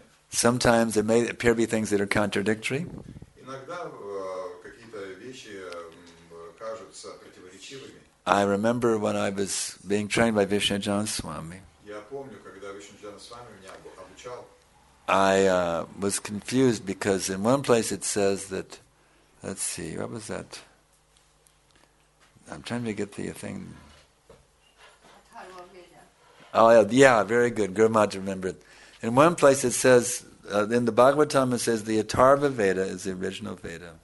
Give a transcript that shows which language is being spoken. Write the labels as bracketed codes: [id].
[en] Sometimes it may appear to be things that are contradictory. [ru] иногда какие-то вещи кажутся противоречивыми. [en] I remember when I was being trained by Vishnujana Swami. [ru] Я помню, когда Вишнуджана Свами меня обучал. [en] I was confused because in one place it says that, let's see, what was that? I'm trying to get the thing. Oh, yeah, very good. Guru Mahārāj remembered. In one place it says, in the Bhagavatam it says the Atharva Veda is the original Veda.